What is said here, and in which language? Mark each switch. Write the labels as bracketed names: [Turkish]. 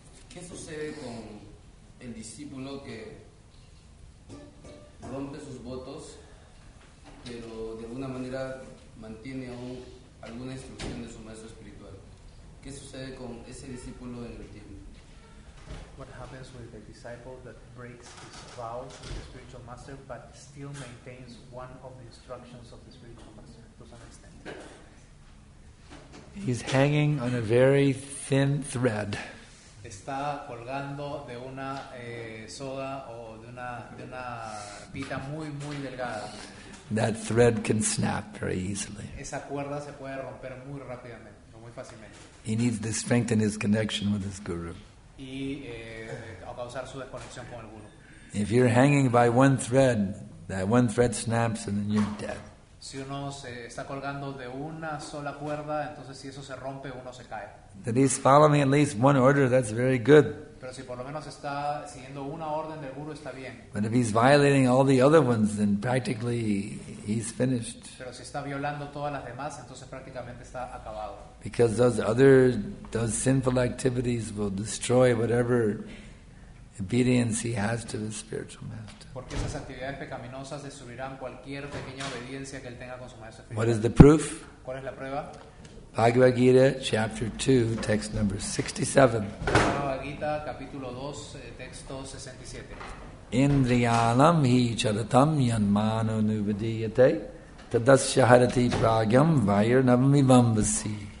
[Spanish] ¿Qué sucede con el discípulo que rompe sus votos, pero de alguna manera mantiene aún alguna instrucción de su maestro espiritual? ¿Qué sucede con ese discípulo en el tiempo? [English] What happens with the disciple that breaks his vow to the spiritual master but still maintains one of the instructions of the spiritual master to some extent? He's hanging on a very thin thread. [Spanish] Está colgando de una soga o de una pita muy muy delgada. [English] That thread can snap very easily. [Spanish] Esa cuerda se puede romper muy rápidamente, o muy fácilmente. [English] He needs to strengthen his connection with his guru. [Spanish] Y a causar su desconexión con el guru. [English] If you're hanging by one thread, that one thread snaps and then you're dead. [Spanish] Si uno se está colgando de una sola cuerda, entonces si eso se rompe, uno se cae. [English] That he's following at least one order, that's very good. [Spanish] Pero si por lo menos está siguiendo una orden del guru, está bien. [English] But if he's violating all the other ones, then practically he's finished. [Spanish] Pero si está violando todas las demás, entonces prácticamente está acabado. [English] Because those sinful activities will destroy whatever obedience he has to the spiritual master. [Spanish] Porque esas actividades pecaminosas destruirán cualquier pequeña obediencia que él tenga con su maestro espiritual. [English] What is the proof? [Spanish] ¿Cuál es la prueba? [English] Bhagavad Gita, chapter 2, text number 67. [Spanish] Bhagavad Gita, capítulo 2, texto 67. [Sanskrit] Indriyanam hi charatam yanmano nubhidiyate tadasyaharati pragyam vayarnavamivambasi.